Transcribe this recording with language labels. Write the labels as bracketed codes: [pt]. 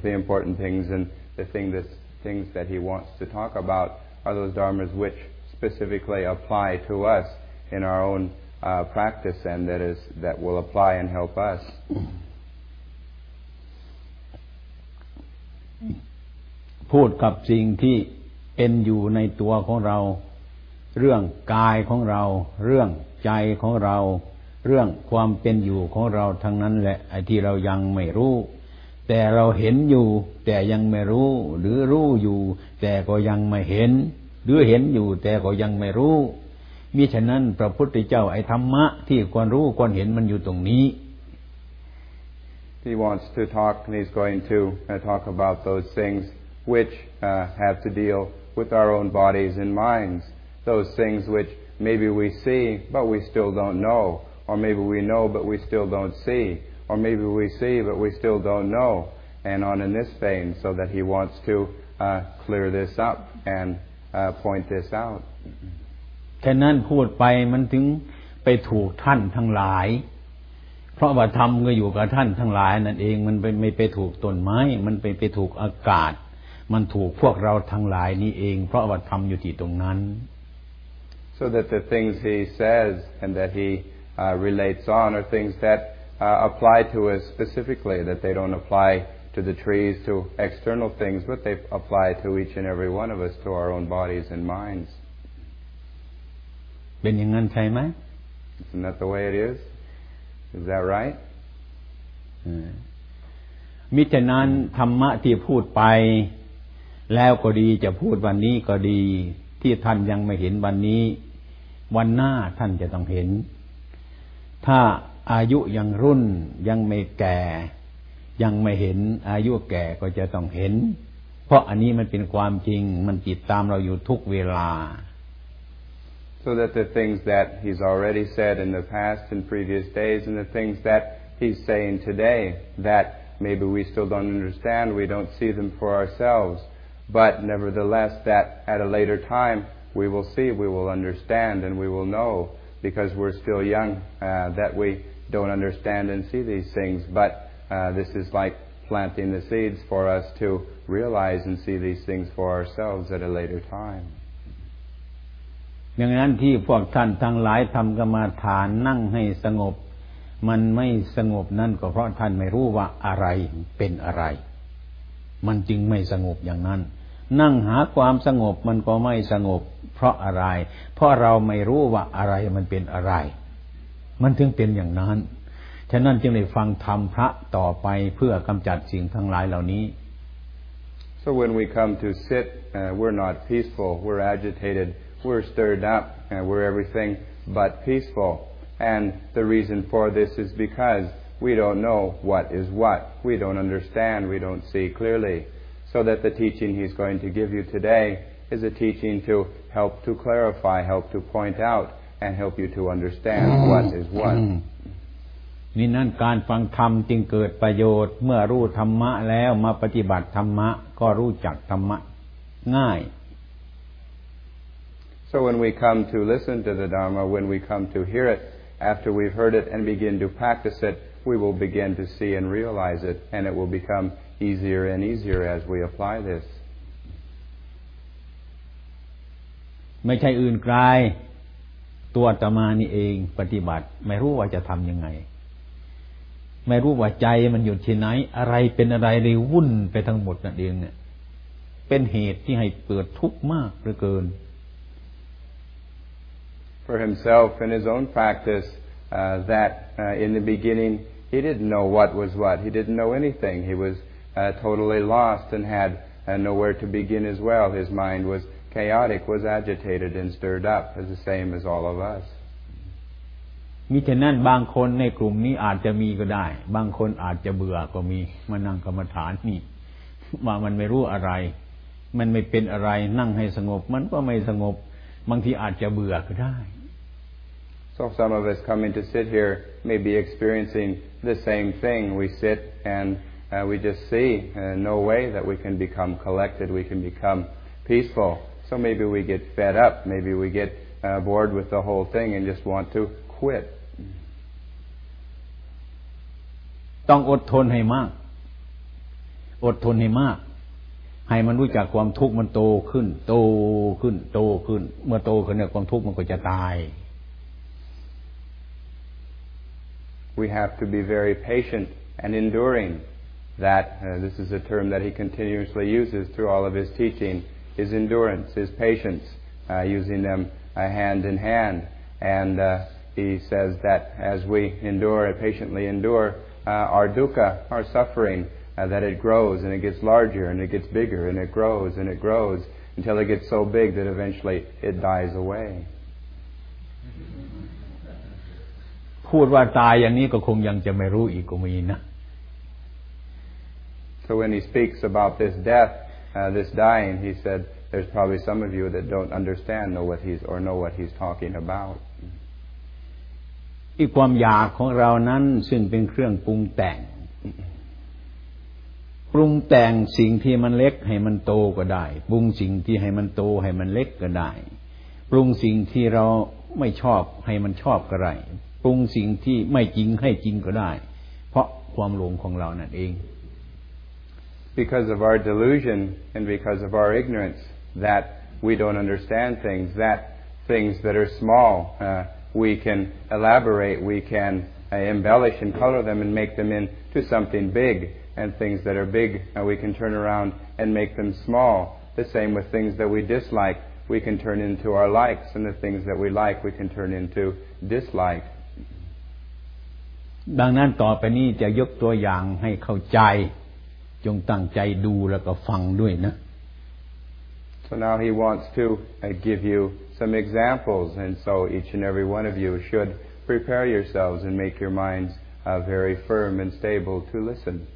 [en] The important things and the things that he wants to talk about are those dharmas which specifically apply to us in our own practice and that will apply and help us. [th] พูดกับสิ่งที่เป็นอยู่ในตัวของเราเรื่องกายของเราเรื่องใจของเราเรื่องความเป็นอยู่ของเราทั้งนั้นแหละไอ้ที่เรายังไม่รู้แต่เราเห็นอยู่แต่ยังไม่รู้หรือรู้อยู่แต่ก็ยังไม่เห็นหรือเห็นอยู่แต่ก็ยังไม่รู้มิฉะนั้นพระพุทธเจ้าไอ้ธรรมะที่ควรรู้ควรเห็นมันอยู่ตรงนี้ [en] He wants to talk and he's going to talk about those thingswhich have to deal with our own bodies and minds, those things which maybe we see but we still don't know, or maybe we know but we still don't see, or maybe we see but we still don't know, and on in this vein, so that he wants to clear this up and point this out. [th] ฉะนั้นพูดไปมันถึงไปถูกท่านทั้งหลาย พราะว่าธรรมก็อยู่กับท่านทั้งหลายนั่นเองมันไม่ไปถูกต้นไม้มันไปถูกอากาศมันถูกพวกเราทั้งหลายนี่เองเพราะว่าธรรมอยู่ที่ตรงนั้น [en] so that the things he says and that he relates on are things that apply to us specifically that they don't apply to the trees to external things but they apply to each and every one of us to our own bodies and minds [th] เป็นอย่างนั้นใช่ไหม [en] isn't that the way it isIs that right? [th] มิฉะนั้นธรรมะที่พูดไปแล้วก็ดีจะพูดวันนี้ก็ดีที่ท่านยังไม่เห็นวันนี้วันหน้าท่านจะต้องเห็นถ้าอายุยังรุ่นยังไม่แก่ยังไม่เห็นอายุแก่ก็จะต้องเห็นเพราะอันนี้มันเป็นความจริงมันติดตามเราอยู่ทุกเวลา [en] So that the things that he's already said in the past and previous days and the things that he's saying today that maybe we still don't understand, we don't see them for ourselves, but nevertheless that at a later time we will see, we will understand and we will know because we're still young that we don't understand and see these things, but this is like planting the seeds for us to realize and see these things for ourselves at a later time. [th] อย่างนั้นที่พวกท่านทั้งหลายทำกรรมฐานนั่งให้สงบมันไม่สงบนั่นก็เพราะท่านไม่รู้ว่าอะไรเป็นอะไรมันจึงไม่สงบอย่างนั้นนั่งหาความสงบมันก็ไม่สงบเพราะอะไรเพราะเราไม่รู้ว่าอะไรมันเป็นอะไรมันถึงเป็นอย่างนั้นฉะนั้นจึงได้ฟังธรรมพระต่อไปเพื่อกำจัดสิ่งทั้งหลายเหล่านี้ [en] So when we come to sit we're not peaceful we're agitatedWe're stirred up, and we're everything but peaceful. And the reason for this is because we don't know what is what. We don't understand, we don't see clearly. So that the teaching he's going to give you today is a teaching to help to clarify, help to point out, and help you to understand what is what. [th] นี่นั่นการฟังธรรมจึงเกิดประโยชน์เมื่อรู้ธรรมะแล้วมาปฏิบัติธรรมะก็รู้จักธรรมะง่าย [en] So when we come to listen to the Dharma, when we come to hear it, after we've heard it and begin to practice it, we will begin to see and realize it, and it will become easier and easier as we apply this. [th] ไม่ใช่อื่นไกลตัวตมานี่เองปฏิบัติไม่รู้ว่าจะทำยังไงไม่รู้ว่าใจมันอยู่ที่ไหนอะไรเป็นอะไรเลยวุ่นไปทั้งหมดนั่นเองเนี่ยเป็นเหตุที่ให้เกิดทุกข์มากเหลือเกิน [en] For himself in his own practice, in the beginning he didn't know what was what. He didn't know anything. He was totally lost and had nowhere to begin as well. His mind was chaotic, was agitated and stirred up, as the same as all of us. [th] มีฉะนั้นบางคนในกลุ่มนี้อาจจะมีก็ได้บางคนอาจจะเบื่อก็มีมานั่งกรรมฐานนี่ว่ามันไม่รู้อะไรมันไม่เป็นอะไรนั่งให้สงบมันก็ไม่สงบบางทีอาจจะเบื่อก็ได้ [en] So some of us coming to sit here may be experiencing the same thing. We sit and we just see no way that we can become collected, we can become peaceful. So maybe we get fed up, maybe we get bored with the whole thing and just want to quit. [th] ต้องอดทนให้มากอดทนให้มากให้มันรู้จักความทุกข์มันโตขึ้นโตขึ้นโตขึ้นเมื่อโตขึ้นเนี่ยความทุกข์มันก็จะตาย [en] We have to be very patient and enduring that this is a term that he continuously uses through all of his teaching is endurance is patience using them hand in hand and he says that as we endure patiently endure our dukkha our sufferingthat it grows and it gets larger and it gets bigger and it grows until it gets so big that eventually it dies away. [th] พูดว่าตายอย่างนี้ก็คงยังจะไม่รู้อีกก็มีนะ [en] So when he speaks about this death, this dying, he said, there's probably some of you that don't understand know what he's talking about. [th] อีกความอยากของเรานั้นซึ่งเป็นเครื่องปรุงแต่งปรุงแต่งสิ่งที่มันเล็กให้มันโตก็ได้ปรุงสิ่งที่ให้มันโตให้มันเล็กก็ได้ปรุงสิ่งที่เราไม่ชอบให้มันชอบก็ได้ ปรุงสิ่งที่ไม่จริงให้จริงก็ได้เพราะความหลงของเรานั่นเอง [en] because of our delusion and because of our ignorance that we don't understand things that things that are small we can elaborate we canembellish and color them and make them into something big and things that are big we can turn around and make them small the same with things that we dislike we can turn into our likes and the things that we like we can turn into dislike [th] ดังนั้นต่อไปนี้จะยกตัวอย่างให้เข้าใจจงตั้งใจดูแล้วก็ฟังด้วยนะ [en] So now he wants to give you some examples and so each and every one of you shouldprepare yourselves and make your minds very firm and stable to listen